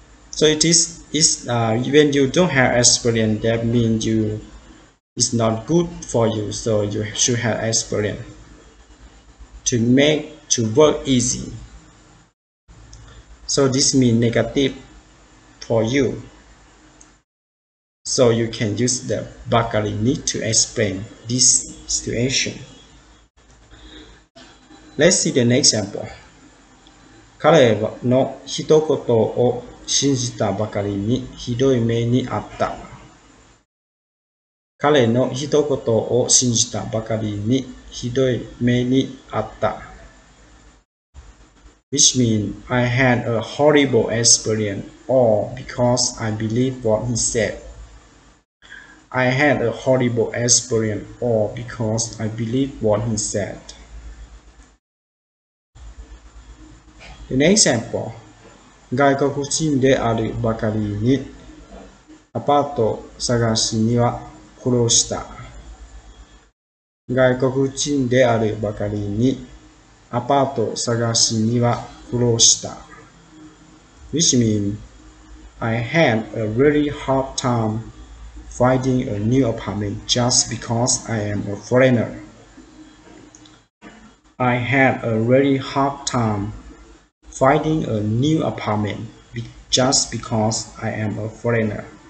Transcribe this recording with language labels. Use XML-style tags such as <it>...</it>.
<en>So it is, when you don't have experience, that means you, it's not good for you, so you should have experience to make to work easy. So this means negative for you. So you can use the Bakarini to explain this situation. Let's see the next example.</en> <ja>彼の一言を信じたばかりにひどい目にあった。彼の一言を信じたばかりにひどい目にあった。</ja> <en>Which means I had a horrible experience, or because I believe what he said. I had a horrible experience, or because I believe what he said. The next example.</en> <ja>外国人であるばかりにアパート探しには苦労した。外国人であるばかりにアパート探しには苦労した。</ja> <en>Which means I had a really hard time finding a new apartment just because I am a foreigner. I had a really hard time finding a new apartment just because I am a foreigner.</en>